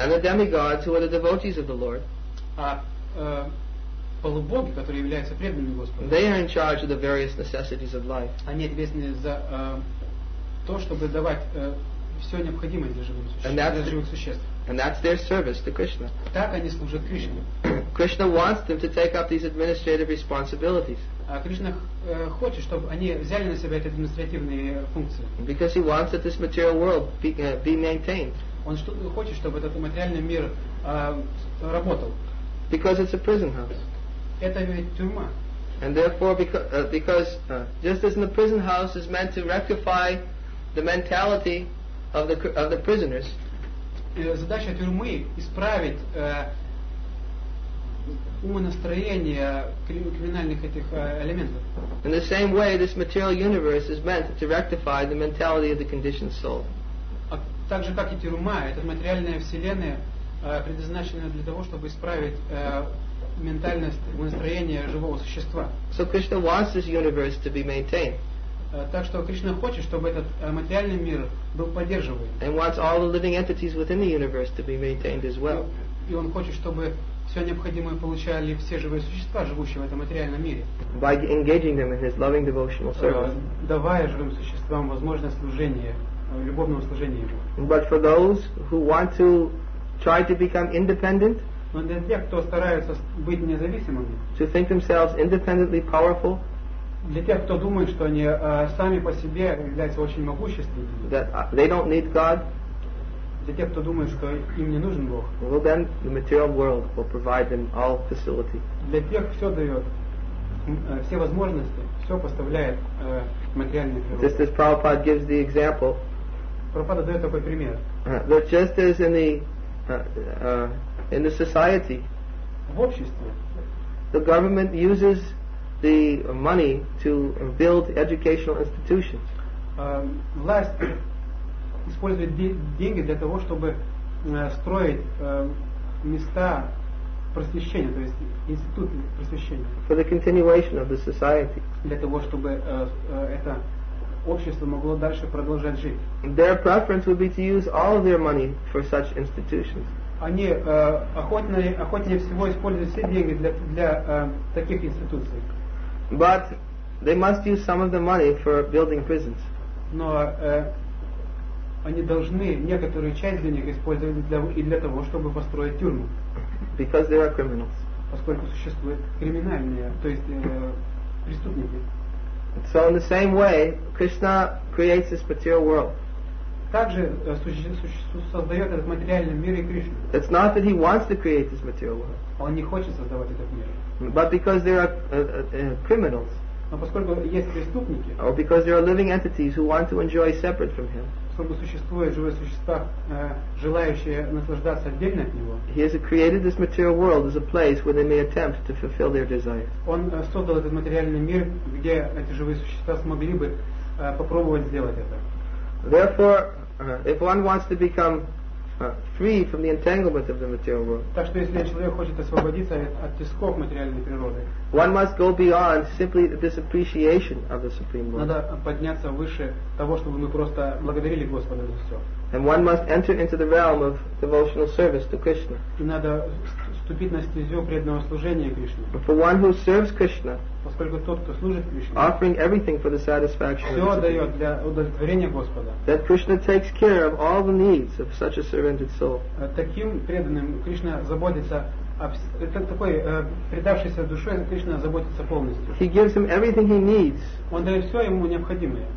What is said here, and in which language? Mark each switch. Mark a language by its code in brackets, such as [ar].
[en] And the demigods, who are the devotees of the Lord, [ru] а полубоги, которые являются преданными Господу, [en] they are in charge of the various necessities of life. [ru] Они ответственны за то, чтобы давать все необходимое для живых существ. [en] And that's [ru] для живых существ. [en] And that's their service to Krishna. [ru] Так они служат Кришне. [en] Krishna wants them to take up these administrative responsibilities. [ru] А Кришна хочет, чтобы они взяли на себя эти административные функции. [en] Because he wants that this material world be maintained. [ru] Он хочет, чтобы этот материальный мир работал. [en] Because it's a prison house. [ru] Это ведь тюрьма. [en] And therefore, because just as in the prison house is meant to rectify the mentality of the prisoners. [ru] Задача тюрьмы исправить умонастроение криминальных этих элементов. [en] In the same way, this material universe is meant to rectify the mentality of the conditioned soul. [ru] А так же, как и тюрьма, эта материальная вселенная предназначена для того, чтобы исправить ментальность, умонастроение живого существа. [en] So Krishna wants this universe to be maintained. [ru] Так что Кришна хочет, чтобы этот материальный мир был поддерживаем. [en] And wants all the living entities within the universe to be maintained as well. [ru] И он хочет, чтобы все необходимое получали все живые существа, живущие в этом материальном мире. [en] By engaging them in his loving devotional service. [ru] Давая живым существам возможность служения, любовного служения ему. [en] But for those who want to try to become independent, [ru] но для тех, кто старается быть независимыми, [en] to think themselves independently powerful, [ru] для тех, кто думает, что они сами по себе являются очень могущественными, [en] that they don't need God, [ru] для тех, кто думает, что им не нужен Бог, [en] well then the material world will provide them all facility. [ru] Для тех, кто все дает, все возможности, все поставляет материальный мир. [en] Just as Prabhupada gives the example, [ru] Прабхупада дает такой пример, [en] that just as in the society, [ru] в обществе, [en] the government uses the money to build educational institutions. [ru] Власть использует деньги для того, чтобы строить места просвещения, то есть институты просвещения. [en] For the continuation of the society. [ru] Для того, чтобы это общество могло дальше продолжать жить. [en] Their preference would be to use all of their money for such institutions. [ru] Они охотнее всего используют все деньги для таких институций. [en] But they must use some of the money for building prisons. [ru] Но они должны некоторую часть денег использовать для того, чтобы построить тюрьму. [en] Because they are criminals. [ru] Поскольку существуют криминальные, то есть преступники. [en] So in the same way, Krishna creates this material world. [ru] Также создает этот материальный мир и Кришна. [en] It's not that he wants to create this material world. [ru] Он не хочет создавать этот мир. [en] But because there are criminals, [ru] но поскольку есть преступники, [en] or because there are living entities who want to enjoy separate from him, [ru] поскольку существуют живые существа, желающие наслаждаться отдельно от него, [en] he has created this material world as a place where they may attempt to fulfill their desires. [ru] Он создал этот материальный мир, где эти живые существа смогли бы попробовать сделать это. [en] Therefore, if one wants to become free from the entanglement of the material world, [ru] так что если человек хочет освободиться от тисков материальной природы, [en] one must go beyond simply this appreciation of the Supreme Lord. [ru] Надо подняться выше того, чтобы мы просто благодарили Господа за все. [en] And one must enter into the realm of devotional service to Krishna. [ru] И надо вступить на стезю преданного служения Кришне. [en] For one who serves Krishna, [ru] поскольку тот, кто служит Кришне, [en] offering everything for the satisfaction, [ru] все отдает для удовлетворения Господа, [en] that Krishna takes care of all the needs of such a surrendered soul. [ru] Таким преданным Кришна заботится, такой предавшейся душой Кришна заботится полностью. [en] He gives him everything he needs. [ru] Он дает все ему необходимое.